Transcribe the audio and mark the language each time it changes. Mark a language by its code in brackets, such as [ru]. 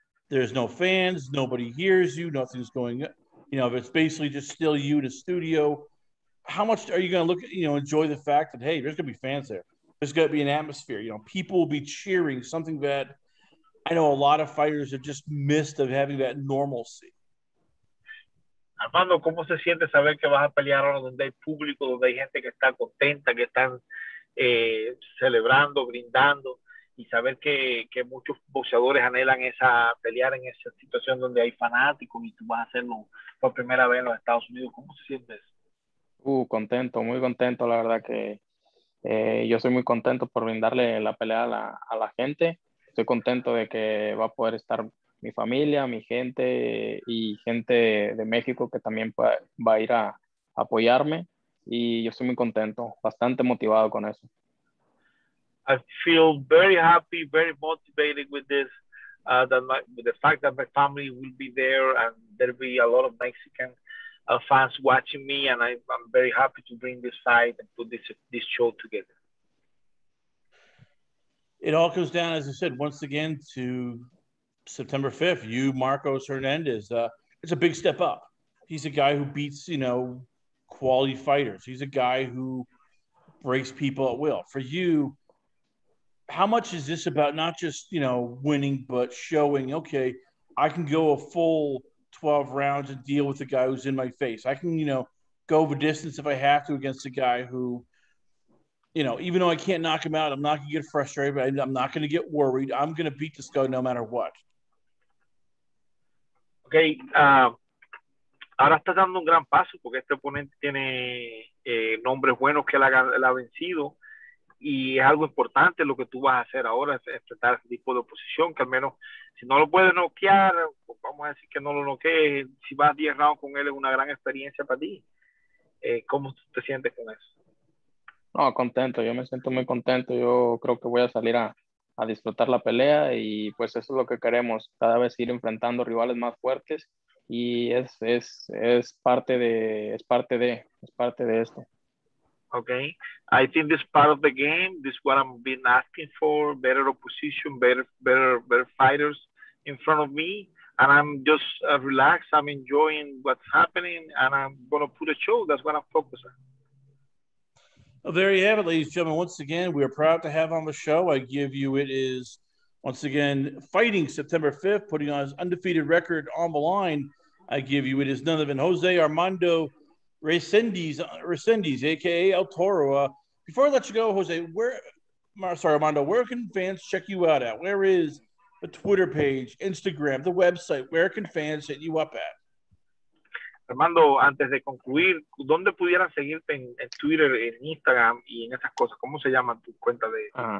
[en] There's no fans. Nobody hears you. Nothing's going, you know, if it's basically just still you in a studio, how much are you going to look, you know, enjoy the fact that, hey, there's going to be fans there. There's going to be an atmosphere. You know, people will be cheering, something that I know a lot of fighters have just missed of having that normalcy. [es] Armando, ¿cómo se siente saber que vas a pelear ahora donde hay público, donde hay gente que está contenta, que están celebrando, brindando, y saber que muchos boxeadores anhelan esa pelear en esa situación donde hay fanáticos y tú vas a hacerlo por primera vez en los Estados Unidos? ¿Cómo se siente eso? Contento, muy contento, la verdad que yo soy muy contento por brindarle la pelea a la gente. Estoy contento de que va a poder estar mi familia, mi gente y gente de México que también va a ir a apoyarme. Y yo estoy muy contento, bastante motivado con eso. [en] I feel very happy, very motivated with this, with the fact that my family will be there and there will be a lot of Mexican fans watching me. And I'm very happy to bring this fight and put this show together. It all comes down, as I said, once again to September 5th, you, Marcos Hernandez. It's a big step up. He's a guy who beats, you know, quality fighters. He's a guy who breaks people at will. For you, how much is this about not just, you know, winning, but showing, okay, I can go a full 12 rounds and deal with the guy who's in my face. I can, you know, go the distance if I have to against a guy who, you know, even though I can't knock him out, I'm not going to get frustrated, but I'm not going to get worried. I'm going to beat this guy no matter what. Okay. [es] Ahora está dando un gran paso porque este oponente tiene nombres buenos que él ha vencido y es algo importante lo que tú vas a hacer ahora, es enfrentar este tipo de oposición que al menos si no lo puedes noquear, pues vamos a decir que no lo noquees, si vas 10 rounds con él es una gran experiencia para ti. ¿Cómo te sientes con eso? No, contento, yo me siento muy contento, yo creo que voy a salir a disfrutar la pelea y pues eso es lo que queremos, cada vez ir enfrentando rivales más fuertes y es parte de esto. [en] Okay, I think this part of the game, this is what I've been asking for, better opposition, better fighters in front of me, and I'm just relaxed, I'm enjoying what's happening, and I'm going to put a show, that's what I'm focused on. Well, there you have it, ladies and gentlemen. Once again, we are proud to have on the show. I give you, it is, once again, fighting September 5th, putting on his undefeated record on the line. I give you, it is none other than Jose Armando Resendiz, a.k.a. El Toro. Before I let you go, Jose, where can fans check you out at? Where is the Twitter page, Instagram, the website? Where can fans hit you up at? [es] Armando, antes de concluir, ¿dónde pudieran seguirte en Twitter, en Instagram y en esas cosas? ¿Cómo se llama tu cuenta de